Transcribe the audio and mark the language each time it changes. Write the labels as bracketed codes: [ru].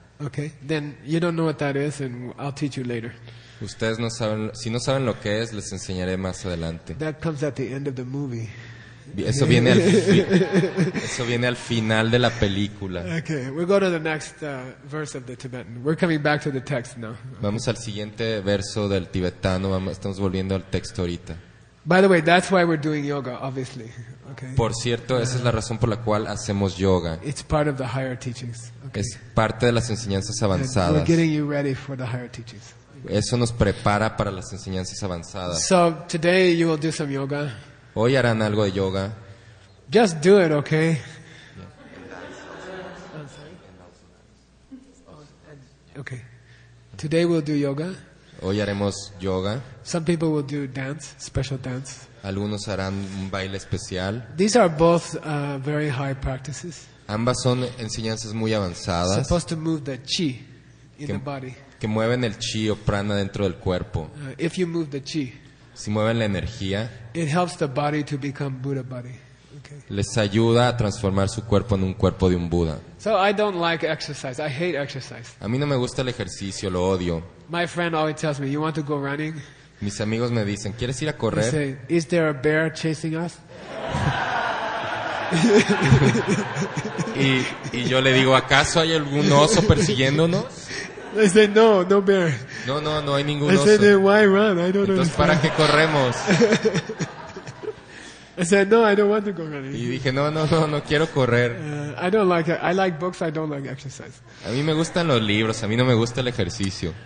[en] Okay, then you don't know what that is, and I'll teach you later. [es] Ustedes no saben, si no saben lo que es, les enseñaré más adelante. [en] That comes at the end of the movie. [es] Eso viene al final de la película. [en] Okay, we'll go to the next verse of the Tibetan. We're coming back to the text now. [es] Vamos al siguiente verso del tibetano. Estamos volviendo al texto ahorita. [en] By the way, that's why we're doing yoga, obviously. Okay. [es] Por cierto, esa es la razón por la cual hacemos yoga. [en] It's part of the higher teachings. Okay. [es] Es parte de las enseñanzas avanzadas. [en] We're getting you ready for the higher teachings. [es] Eso nos prepara para las enseñanzas avanzadas. [en] So today you will do some yoga. [es] Hoy harán algo de yoga. [en] Just do it, okay? Okay. Today we'll do yoga. [es] Hoy haremos yoga. [en] Some people will do dance, special dance. [es] Algunos harán un baile especial. [en] These are both very high practices. [es] Ambas son enseñanzas muy avanzadas. [en] Supposed to move the chi in the body. [es] Que mueven el chi o prana dentro del cuerpo. [en] If you move the chi. [es] Si mueven la energía. [en] It helps the body to become Buddha body. Okay. [es] Les ayuda a transformar su cuerpo en un cuerpo de un Buda. [en] So I don't like exercise. I hate exercise. [es] A mí no me gusta el ejercicio, lo odio. [en] My friend always tells me, "You want to go running?" [es] Mis amigos me dicen, ¿quieres ir a correr? [en] They say, "Is there a bear chasing us?" [es] y yo le digo, ¿acaso hay algún oso persiguiéndonos? [en] They say, "No, no bear." [es] No hay ningún oso. [en] I said, "Then why run? I don't know." [es] ¿Para qué corremos? [en] I said, "No, I don't want to go running." [es] Y dije, no quiero correr. [en] I don't like it. I like books, I don't like exercise. [es] A mí me gustan los libros, a mí no me gusta el ejercicio.